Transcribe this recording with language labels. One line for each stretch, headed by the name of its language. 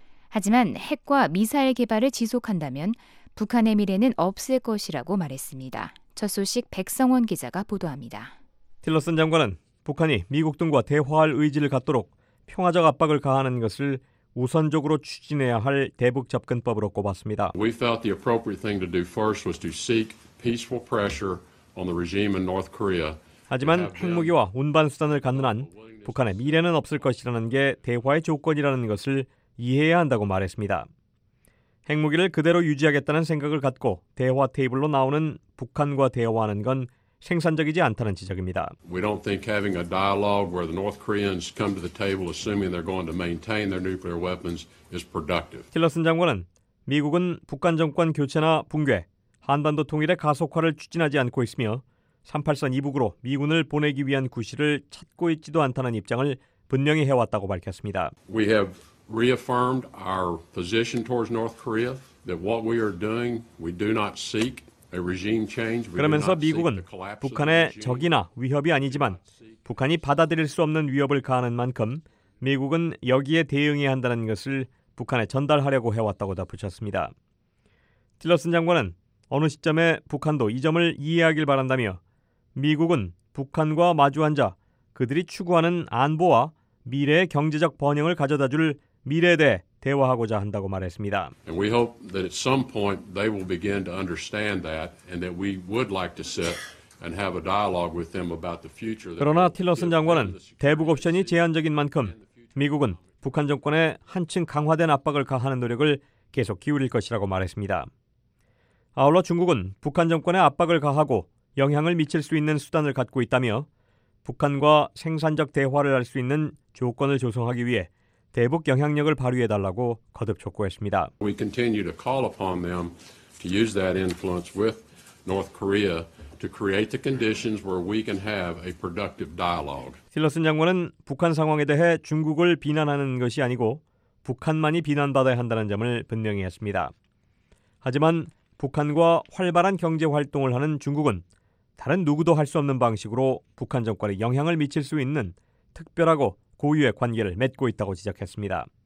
Korean: 하지만 핵과 미사일 개발을 지속한다면 북한의 미래는 없을 것이라고 말했습니다. 첫 소식 백성원 기자가 보도합니다. 틸러슨 장관은 북한이 미국 등과 대화할 의지를 갖도록 평화적 압박을 가하는 것을 우선적으로 추진해야 할 대북 접근법으로 꼽았습니다.
English: We felt the appropriate thing to do first was to seek peaceful pressure on the regime in North Korea.
Korean: 하지만 핵무기와 운반 수단을 갖는 한 북한의 미래는 없을 것이라는 게 대화의 조건이라는 것을 이해해야 한다고 말했습니다. 핵무기를 그대로 유지하겠다는 생각을 갖고 대화 테이블로 나오는 북한과 대화하는 건 생산적이지 않다는 지적입니다.
English: We don't think having a dialogue where the North Koreans come to the table assuming they're going to maintain their nuclear weapons is productive.
Korean: 틸러슨 장관은 미국은 북한 정권 교체나 붕괴, 한반도 통일의 가속화를 추진하지 않고 있으며 38선 이북으로 미군을 보내기 위한 구실을 찾고 있지도 않다는 입장을 분명히 해왔다고 밝혔습니다.
English: We have reaffirmed our position towards North Korea that what we are doing, we do not seek
Korean: 그러면서 미국은 북한의 적이나 위협이 아니지만 북한이 받아들일 수 없는 위협을 가하는 만큼 미국은 여기에 대응해야 한다는 것을 북한에 전달하려고 해왔다고 덧붙였습니다. 틸러슨 장관은 어느 시점에 북한도 이 점을 이해하길 바란다며 미국은 북한과 마주앉아 그들이 추구하는 안보와 미래의 경제적 번영을 가져다 줄 미래에 대해 대화하고자 한다고 말했습니다.
English: And we hope that at some point they will begin to understand that and that we would like to sit and have a dialogue with them about the future.
Korean: 그러나 틸러슨 장관은 대북 옵션이 제한적인 만큼 미국은 북한 정권에 한층 강화된 압박을 가하는 노력을 계속 기울일 것이라고 말했습니다. 아울러 중국은 북한 정권에 압박을 가하고 영향을 미칠 수 있는 수단을 갖고 있다며 북한과 생산적 대화를 할 수 있는 조건을 조성하기 위해 대북 영향력을 발휘해달라고 거듭 촉구했습니다.
English: We continue to call upon them to use that influence with North Korea to create the conditions where we can have a productive dialogue.
Korean: 틸러슨 장관은 북한 상황에 대해 중국을 비난하는 것이 아니고 북한만이 비난받아야 한다는 점을 분명히 했습니다. 하지만 북한과 활발한 경제 활동을 하는 중국은 다른 누구도 할 수 없는 방식으로 북한 정권에 영향을 미칠 수 있는 특별하고 고유의 관계를 맺고 있다고 지적했습니다.